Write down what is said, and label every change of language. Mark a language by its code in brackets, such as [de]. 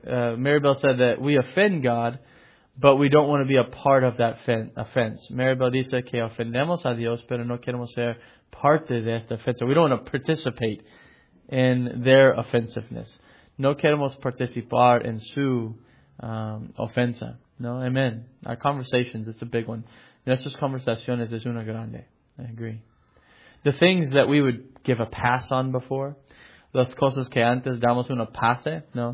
[en] Maribel said that we offend God, but we don't want to be a part of that offense. [es] Maribel dice que ofendemos a Dios, pero no queremos ser parte de esta ofensa. [en] We don't want to participate in their offensiveness. [es] No queremos participar en su ofensa. No, amen. [en] Our conversations, it's a big one. [es] Nuestras conversaciones es una grande. [en] I agree. The things that we would give a pass on before. [es] Las cosas que antes damos una pase, ¿no?